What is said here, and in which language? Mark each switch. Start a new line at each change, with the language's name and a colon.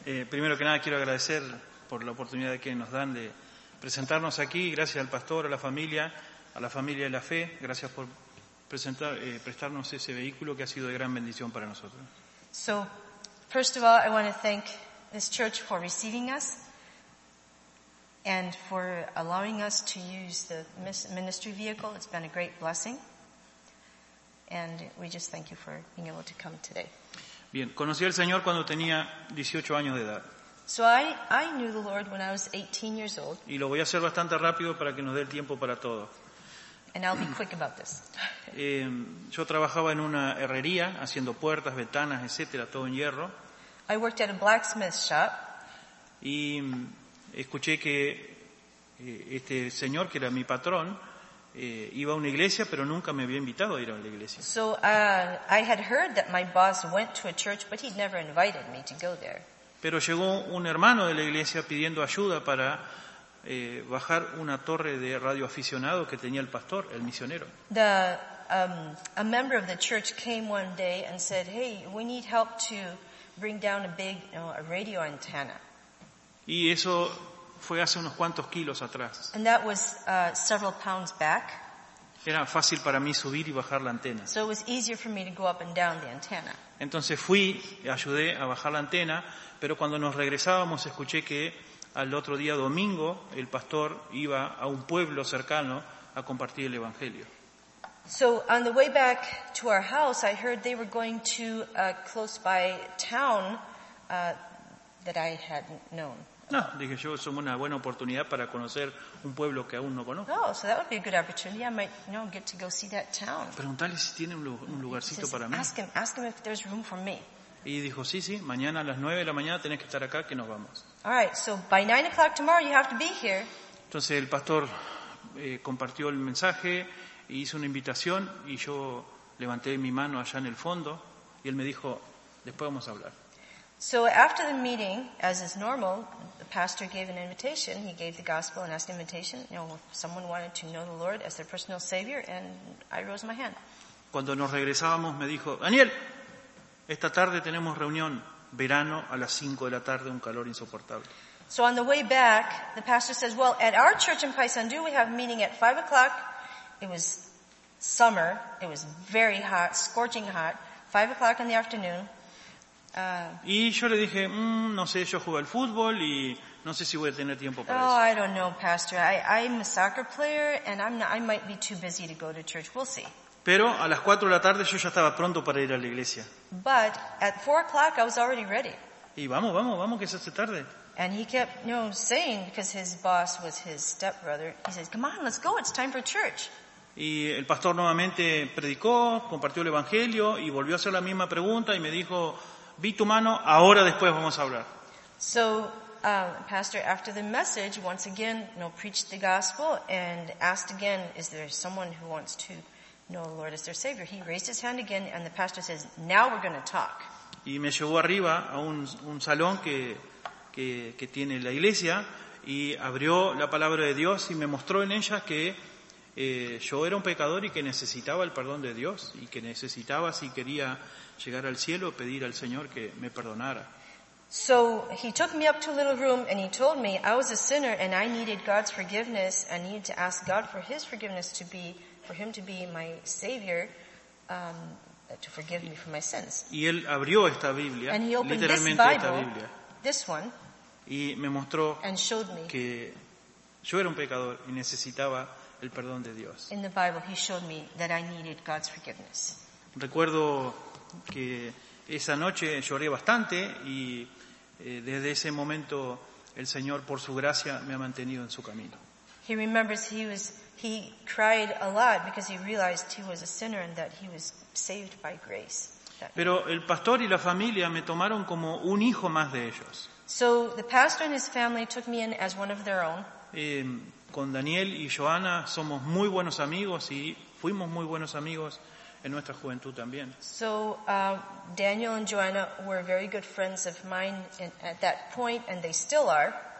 Spanish: Primero que nada, quiero agradecer por la oportunidad que nos dan de presentarnos aquí. Gracias al pastor, a la familia de la fe. Gracias por presentar, prestarnos ese vehículo que ha sido de gran bendición para nosotros.
English: So, first of all, I want to thank this church for receiving us and for allowing us to use the ministry vehicle. It's been a great blessing. And we just thank you for being able to come today.
Spanish: Bien, conocí al Señor cuando tenía 18 años de edad.
English: So I knew the Lord when I was 18 years old.
Spanish: Y lo voy a hacer bastante rápido para que nos dé el tiempo para todo.
English: And I'll be quick about this.
Spanish: Yo trabajaba en una herrería, haciendo puertas, ventanas, etcétera, todo en hierro.
English: I worked at a blacksmith shop.
Spanish: Y escuché que este señor, que era mi patrón, iba a una iglesia, pero nunca me había invitado a ir a la iglesia.
English: So I had heard that my boss went to a church, but he'd never invited me to go there.
Spanish: Pero llegó un hermano de la iglesia pidiendo ayuda para bajar una torre de radioaficionado que tenía el pastor, el misionero.
English: A member of the church came one day and said, "Hey, we need help to bring down a big, you know, a radio antenna."
Spanish: Y eso fue hace unos cuantos kilos atrás.
English: And that was several pounds back.
Spanish: Era fácil para mí subir y bajar la antena.
English: So it was easier for me to go up and down the antenna.
Spanish: Entonces fui, ayudé a bajar la antena, pero cuando nos regresábamos escuché que al otro día domingo el pastor iba a un pueblo cercano a compartir el evangelio.
English: So on the way back to our house, I heard they were going to a close by town that I hadn't known.
Spanish: No, dije yo, somos una buena oportunidad para conocer un pueblo que aún no conozco.
English: Oh, so that would be a good opportunity. I might, you know, get to go see that town.
Spanish: Preguntale si tiene un lugarcito.
English: Says,
Spanish: para mí.
English: Ask him if there's room for me.
Spanish: Y dijo, sí, sí, mañana a las 9 de la mañana tenés que estar acá, que nos vamos.
English: All right, so by 9 o'clock tomorrow you have to be here.
Spanish: Entonces el pastor compartió el mensaje e hizo una invitación y yo levanté mi mano allá en el fondo y él me dijo, después vamos a hablar.
English: So after the meeting, as is normal, the pastor gave an invitation. He gave the gospel and asked the invitation. You know, if someone wanted to know the Lord as their personal Savior, and I rose my hand.
Spanish: Cuando nos regresábamos, me dijo, Daniel, esta tarde tenemos reunión, verano, a las 5 de la tarde, un calor insoportable.
English: So on the way back, the pastor says, well, at our church in Paysandú, we have a meeting at 5 o'clock. It was summer. It was very hot, scorching hot, 5 o'clock in the afternoon.
Spanish: Y yo le dije, no sé, yo juego al fútbol y no sé si voy a tener tiempo para eso.
English: Oh, I don't know, Pastor. I'm a soccer player and I might be too busy to go to church. We'll see.
Spanish: Pero a las 4 de la tarde yo ya estaba pronto para ir a la iglesia.
English: But at 4 o'clock I was already ready.
Spanish: Y vamos, vamos, vamos, que se hace tarde.
English: And he kept, you know, saying, because his boss was his stepbrother, he says, come on, let's go, it's time for church.
Spanish: Y el pastor nuevamente predicó, compartió el evangelio y volvió a hacer la misma pregunta y me dijo, vi tu mano, ahora después vamos a hablar.
English: So, pastor, after the message, once again, you know, preached the gospel and asked again, is there someone who wants to know the Lord as their Savior? He raised his hand again, and the pastor says, now we're going to talk.
Spanish: Y me llevó arriba a un salón que tiene la iglesia, y abrió la palabra de Dios, y me mostró en ella que yo era un pecador y que necesitaba el perdón de Dios, y que necesitaba, si quería llegar al cielo, pedir al Señor que me perdonara.
English: So he took me up to a little room and he told me I was a sinner and I needed God's forgiveness and needed to ask God for his forgiveness for him to be my savior, to forgive me for my sins.
Spanish: Y él abrió esta Biblia,
English: and he opened
Spanish: literalmente
English: this Bible,
Spanish: esta Biblia,
English: this one,
Spanish: y me mostró
English: and showed me
Spanish: que yo era un pecador y necesitaba el perdón de Dios.
English: In the Bible he showed me that I needed God's forgiveness.
Spanish: Recuerdo que esa noche lloré bastante y desde ese momento el Señor por su gracia me ha mantenido en su camino.
English: He remembers he cried a lot because he realized he was a sinner and that he was saved by grace.
Spanish: Pero el pastor y la familia me tomaron como un hijo más de ellos.
English: So the pastor and his family took me in as one of their own.
Spanish: Con Daniel y Joana somos muy buenos amigos y fuimos muy buenos amigos en nuestra juventud también.
English: So Daniel and Joana were very good friends of mine at that point, and they still are.